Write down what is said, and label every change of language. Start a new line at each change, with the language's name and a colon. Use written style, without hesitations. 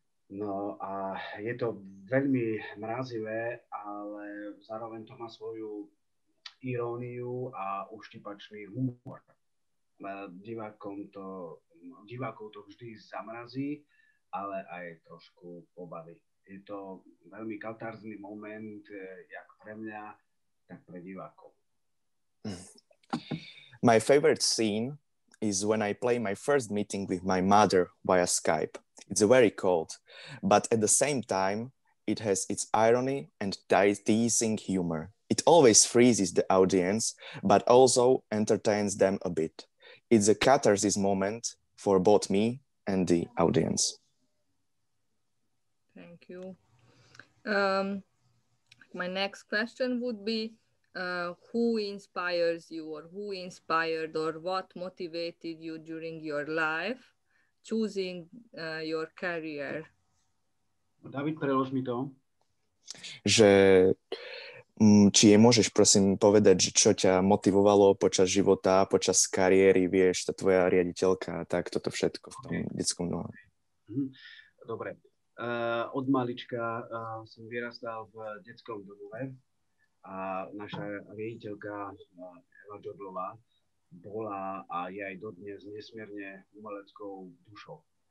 Slovak: No a je to veľmi mrazivé, ale zároveň to má svoju iróniu a uštipačný humor. Divákov to vždy zamrazí, ale aj trošku pobaví. Je to veľmi katarzný moment, jak pre mňa, tak pre divákov.
English: My favorite scene is when I play my first meeting with my mother via Skype. It's very cold, but at the same time, it has its irony and teasing humor. It always freezes the audience, but also entertains them a bit. It's a catharsis moment for both me and the audience. Thank you. My next question would be, who inspires you or who inspired or what motivated you during your life choosing your career?
Slovak: David, prelož mi to. Že, či je môžeš prosím povedať, že čo ťa motivovalo počas života, počas kariéry, vieš, tá tvoja riaditeľka, tak toto všetko v tom detskom domove. Dobre. Od malička som vyrastal v detskom domove a naša riaditeľka Eva Jodlová bola a je aj dodnes nesmierne umeleckou dušou.